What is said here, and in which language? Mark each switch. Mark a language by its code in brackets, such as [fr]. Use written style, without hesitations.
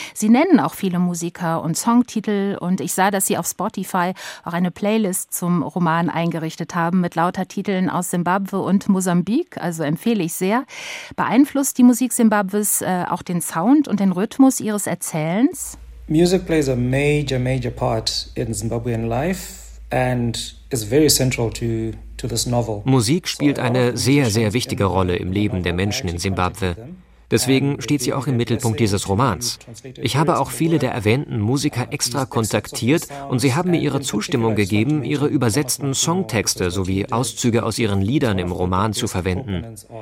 [de] Sie nennen auch viele Musiker und Songtitel und ich sah, dass Sie auf Spotify auch eine Playlist zum Roman eingerichtet haben mit lauter Titeln aus Simbabwe und Mosambik, also empfehle ich sehr. Beeinflusst die Musik Simbabwes auch den Sound und den Rhythmus Ihres Erzählens? [en] Music plays a major, major part in Zimbabwean life and is very central to [de] Musik spielt eine sehr, sehr wichtige Rolle im Leben der Menschen in Simbabwe. Deswegen steht sie auch im Mittelpunkt dieses Romans. Ich habe auch viele der erwähnten Musiker extra kontaktiert und sie haben mir ihre Zustimmung gegeben, ihre übersetzten Songtexte sowie Auszüge aus ihren Liedern im Roman zu verwenden.